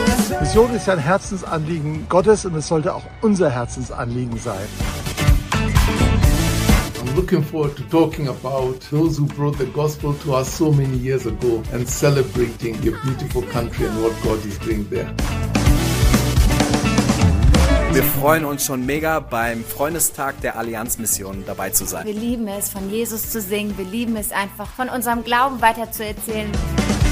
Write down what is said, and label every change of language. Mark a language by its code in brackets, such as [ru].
[de] Inklusion ist ja ein Herzensanliegen Gottes und es sollte auch unser Herzensanliegen sein. [en] I'm looking forward to talking about those who brought the gospel to us so many years ago and celebrating your beautiful country and what God is doing there. [de] Wir freuen uns schon mega, beim Freundestag der Allianzmission dabei zu sein. Wir lieben es, von Jesus zu singen. Wir lieben es einfach, von unserem Glauben weiterzuerzählen.